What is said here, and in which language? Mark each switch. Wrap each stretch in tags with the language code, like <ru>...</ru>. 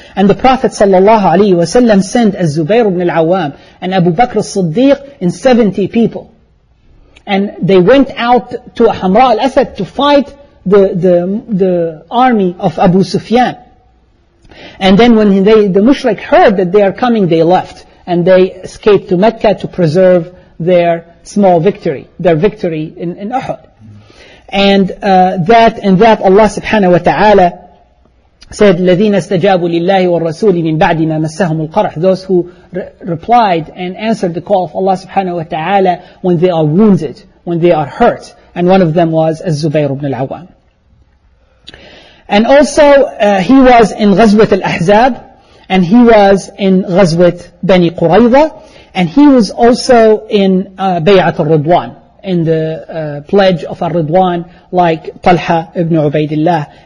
<en>And the Prophet sallallahu alaihi wasallam sent Az-Zubayr ibn al-Awwam and Abu Bakr as-Siddiq in 70 people, and they went out to Hamra al-Asad to fight the army of Abu Sufyan. And then when the mushrik heard that they are coming, they left and they escaped to Mecca to preserve their small victory, their victory in Uhud. And that Allah subhanahu wa ta'ala said,</en> <ar>الَّذِينَ اسْتَجَابُوا لِلَّهِ وَالرَّسُولِ مِنْ بَعْدِ مَا مَسَّهُمُ الْقَرْحِ.</ar> <en>Those who replied and answered the call of Allah subhanahu wa ta'ala when they are wounded, when they are hurt. And one of them was Az-Zubayr ibn al-Awwam. And also he was in Ghazwat al-Ahzab, and he was in Ghazwat Bani Qurayza, and he was also in Bay'at al-Ridwan, in the pledge of al-Ridwan, like Talha ibn Ubaidillah.</en>